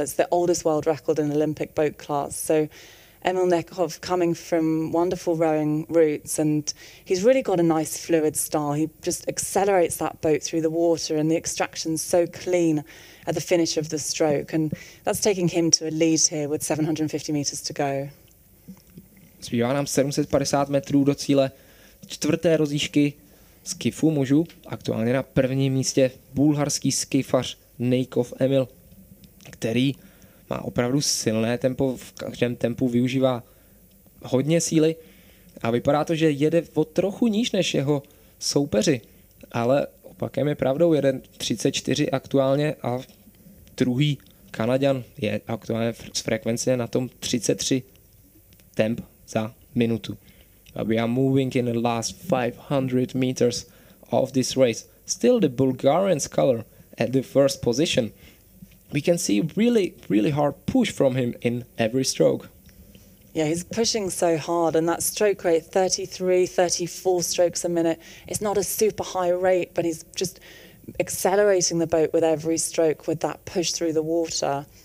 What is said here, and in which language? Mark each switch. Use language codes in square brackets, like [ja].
[en] It's the oldest world record in Olympic boat class. So Emil Nikov coming from wonderful rowing roots, and he's really got a nice fluid style. He just accelerates that boat through the water, and the extraction's so clean at the finish of the stroke. And that's taking him to a lead here with 750 meters to go. [cs] Zbývá nám 750 metrů do cíle čtvrté rozjížky skifu mužů. Aktuálně na prvním místě bulharský skifař Nikov Emil, který má opravdu silné tempo, v každém tempu využívá hodně síly a vypadá to, že jede o trochu níž než jeho soupeři, ale opakem je pravdou, jeden 34 aktuálně a druhý Kanaďan je aktuálně z frekvence na tom 33 temp za minutu. [en] We are moving in the last 500 meters of this race. Still the Bulgarian sculler at the first position. We can see really, really hard push from him in every stroke. Yeah, he's pushing so hard, and that stroke rate, 33, 34 strokes a minute, it's not a super high rate, but he's just accelerating the boat with every stroke with that push through the water.